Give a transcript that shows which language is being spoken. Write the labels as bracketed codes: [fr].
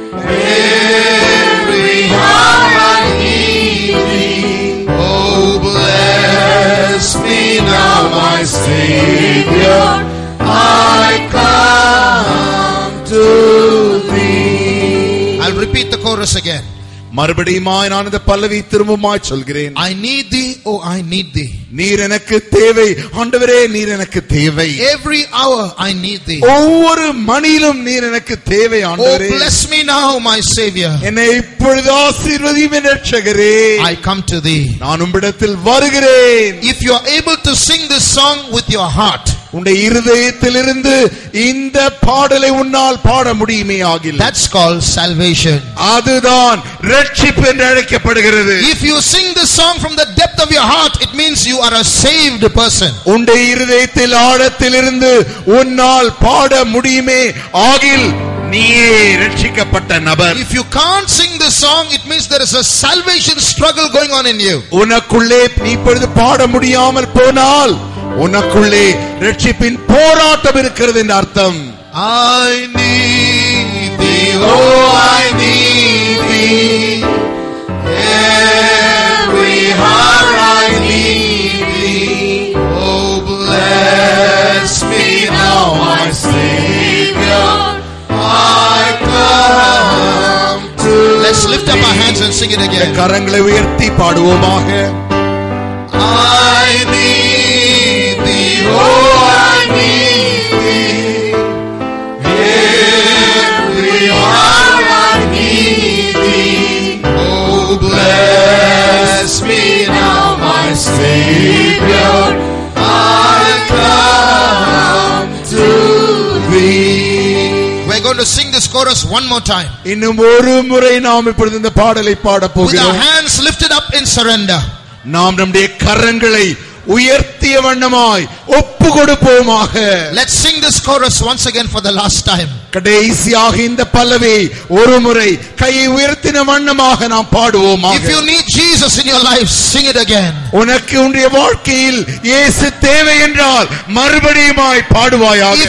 [en] Every hour I need thee. Oh bless me now, my Savior. I come to thee. I'll repeat the chorus again. [ta] மறுபடியுமாய் நான் இந்த பல்லவி திரும்பமாய் சொல்கிறேன். [en] I need thee, oh I need thee. [ta] நீர் எனக்கு தேவை ஆண்டவரே, நீர் எனக்கு தேவை. [en] Every hour I need thee. [ta] ஒவ்வொரு மணியிலும் நீர் எனக்கு தேவை ஆண்டவரே. [en] Oh bless me now, my savior. [ta] என்னை இப்பொழுது ஆசீர்வதியும் என் இரட்சகரே. [en] I come to thee. [ta] நான் உம்மிடத்தில் வருகிறேன். [en] If you are able to sing this song with your heart, [ta] உன்னுடைய இருதயத்திலிருந்து இந்த பாடலை உன்னால் பாட முடியுமே ஆகில்லை. [en] That's called salvation. [ta] அதுதான் இரட்சிப்பு என்று அழைக்கப்படுகிறது. [en] If you sing this song from the depth of your heart, it means you are a saved person. [ta] உன்னுடைய இருதயத்தில் ஆழத்திலிருந்து உன்னால் பாட முடியுமே ஆகில் நீயே இரட்சிக்கப்பட்ட நபர். [en] If you can't sing this song, it means there is a salvation struggle going on in you. [ta] உனக்குள்ளே நீ இப்பொழுது பாட முடியாமல் போனால் உனக்குள்ளே இரட்சிப்பின் போராட்டம் இருக்கிறது என்ற அர்த்தம். [en] I need thee, oh I need thee, every heart I need thee, oh bless me now my Savior, I come to thee. Let's lift up our hands and sing it again. [ta] கரங்களை உயர்த்தி பாடுவோமாக. [en] I need thee, oh I need thee, every heart I need thee, oh bless me now my Savior, I come to thee. We're going to sing this chorus one more time. [ta] இன்னும் ஒரு முறை நாம் இப்பொழுது இந்த பாடலை பாடப் போகிறோம். [en] With our hands lifted up in surrender. [ta] நாம் நம்முடைய கரங்களை உயர்த்திய வண்ணமாய் ஒப்பு கொடுப்போமாக. [en] Let's sing this chorus once again for the last time. [ta] கடைசியாக இந்த பல்லவை ஒருமுறை கையை உயர்த்தின வண்ணமாக நாம் பாடுவோமாக. [en] If you need Jesus in your life, sing it again. [ta] உனக்கு உன்னுடைய வாழ்க்கையில் இயேசு தேவை என்றால் மறுபடியுமாய் பாடுவாயாக.